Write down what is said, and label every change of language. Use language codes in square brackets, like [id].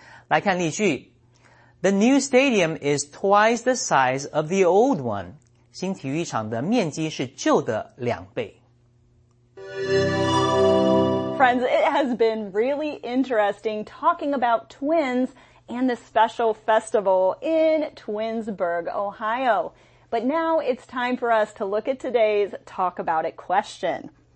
[zh] 来看例句, [en] The new stadium is twice the size of the old one. [zh] 新体育场的面积是旧的两倍。 [en] Friends, it has been really interesting talking about twins and the special festival in Twinsburg, Ohio. But now it's time for us to look at today's Talk About It question.